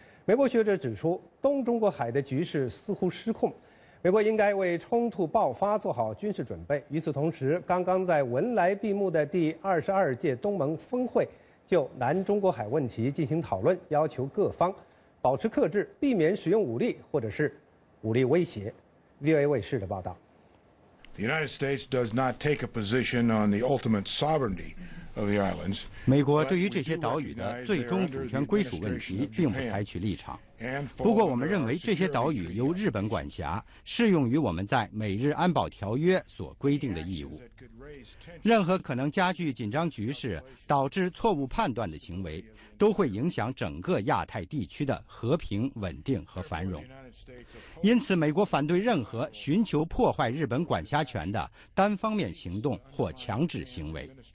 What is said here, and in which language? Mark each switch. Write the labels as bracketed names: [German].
[Chinese] 美国学者指出，东中国海的局势似乎失控，美国应该为冲突爆发做好军事准备。与此同时，刚刚在文莱闭幕的第22届东盟峰会就南中国海问题进行讨论，要求各方保持克制，避免使用武力或者是武力威胁。 VOA 卫视的报道。 [English] The United States does not take a position on the ultimate sovereignty of the islands. [Chinese] 美国对于这些岛屿的最终主权归属问题并不采取立场。不过我们认为这些岛屿由日本管辖，适用于我们在美日安保条约所规定的义务。任何可能加剧紧张局势导致错误判断的行为都会影响整个亚太地区的和平稳定和繁荣，因此美国反对任何寻求破坏日本管辖权的单方面行动或强制行为。